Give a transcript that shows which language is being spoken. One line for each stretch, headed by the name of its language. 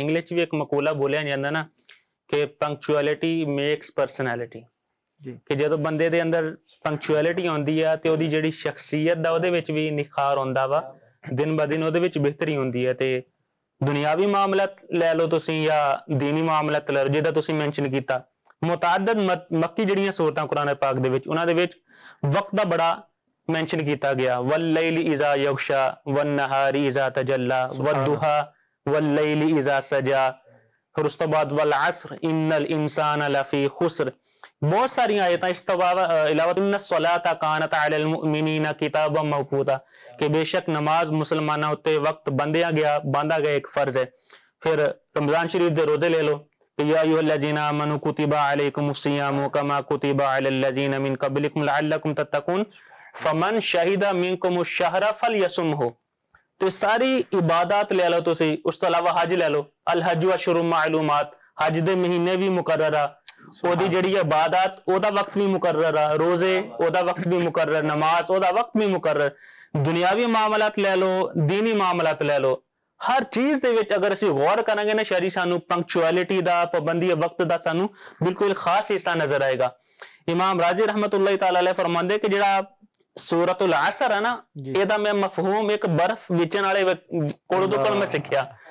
Punjabi: English we ایک مقولہ بولیا جاندا نا کہ
English: punctuality makes personality,
Punjabi: کہ جدوں بندے دے اندر پنکچوئلٹی ہوندی ہے تے اودی جڑی شخصیت دا اودے وچ وی نکھار ہوندا وا, دن بہ دن اودے وچ بہتری ہوندی ہے. تے دنیاوی معاملات لے لو تسی یا دینی معاملات لے لو, جے دا تسی مینشن کیتا, متعدد مکی جڑیاں سورتاں قران پاک دے وچ انہاں دے وچ وقت دا بڑا مینشن کیتا گیا.
Arabic: واللیل اذا یغشا والنہار اذا تجلا والدھا واللیل اذا سجا,
Punjabi: پھر اس تو بعد
Arabic: والعصر ان الانسان لفی خسر,
Punjabi: بہت ساری آیتیں اس تو علاوہ
Arabic: ان الصلاۃ کانت علی المؤمنین کتابا موقوتا,
Punjabi: کہ بے شک نماز مسلمانہ ہوتے وقت بندیا گیا باندھا گیا ایک فرض ہے. پھر رمضان شریف دے روزے لے لو,
Arabic: یا ایھا الذین آمنوا کتب علیکم الصیام کما کتب علی الذین من قبلکم لعلکم تتقون فمن شہید منکم الشہر فلیصمہ.
Punjabi: تو ساری عبادات لے لو, تسی اس تو علاوہ حج لے لو,
Arabic: الحج اشہر معلومات,
Punjabi: حج دے مہینے بھی مقرر آ, او دی جڑی عبادات او دا وقت بھی مقرر آ, روزے او دا وقت بھی مقرر, نماز او دا وقت بھی مقرر, ਦੁਨਿਆਵੀ ਮਾਮਲਾਤ ਲੈ ਲਓ, ਦੀਨੀ ਮਾਮਲਾਤ ਲੈ ਲਓ, ਹਰ ਚੀਜ਼ ਦੇ ਵਿੱਚ ਅਗਰ ਅਸੀਂ ਗੌਰ ਕਰਾਂਗੇ ਨਾ ਸ਼ਰੀ, ਸਾਨੂੰ ਪੰਕਚੁਅਲਿਟੀ ਦਾ, ਪਾਬੰਦੀ ਵਕਤ ਦਾ ਸਾਨੂੰ ਬਿਲਕੁਲ ਖਾਸ ਹਿੱਸਾ ਨਜ਼ਰ ਆਏਗਾ। ਇਮਾਮ ਰਾਜ਼ੀ ਰਹਿਮਤੁਲ੍ਲਾਹ ਤਾਲਾ ਅਲੈਹ ਫਰਮਾਉਂਦੇ ਕਿ ਜਿਹੜਾ ਸੂਰਤੁਲ ਅਸਰ ਹੈ ਨਾ, ਇਹਦਾ ਮੈਂ ਮਫਹੂਮ ਇੱਕ ਬਰਫ ਵੇਚਣ ਵਾਲੇ ਕੋਲ ਮੈਂ ਸਿੱਖਿਆ।